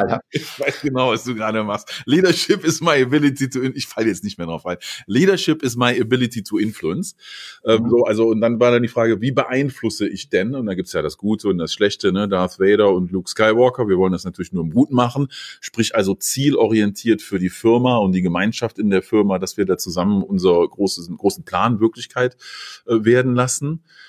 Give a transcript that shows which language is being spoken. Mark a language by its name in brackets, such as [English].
[German] Ich weiß genau, was du gerade machst. [English] Leadership is my ability to influence. [German] Ich falle jetzt nicht mehr drauf ein. [English] Leadership is my ability to influence. [German] Und dann war dann die Frage, wie beeinflusse ich denn? Und da gibt es ja das Gute und das Schlechte, ne? Darth Vader und Luke Skywalker. Wir wollen das natürlich nur im Guten machen. Sprich also zielorientiert für die Firma und die Gemeinschaft in der Firma, dass wir da zusammen unseren großen Plan Wirklichkeit werden lassen.